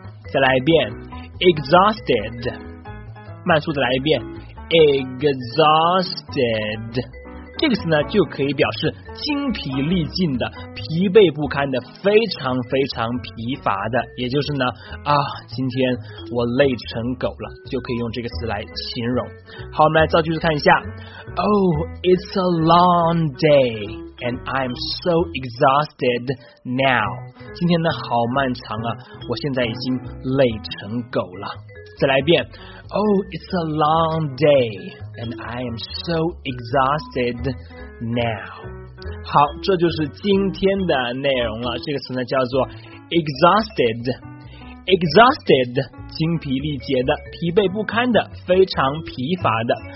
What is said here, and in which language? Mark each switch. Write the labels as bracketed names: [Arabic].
[Chinese] 再来一遍 exhausted， 慢速的来一遍 exhausted。这个词呢就可以表示精疲力尽的、疲惫不堪的、非常非常疲乏的，也就是呢啊，今天我累成狗了，就可以用这个词来形容。好，我们来造句子看一下。 [English] Oh, it's a long day and I'm so exhausted now。 [Chinese] 今天呢好漫长啊，我现在已经累成狗了。再来一遍。 [English] Oh, it's a long day and I am so exhausted now。 [Chinese] 好，这就是今天的内容了。这个词呢叫做 exhausted。 Exhausted， 精疲力竭的、疲惫不堪的、非常疲乏的。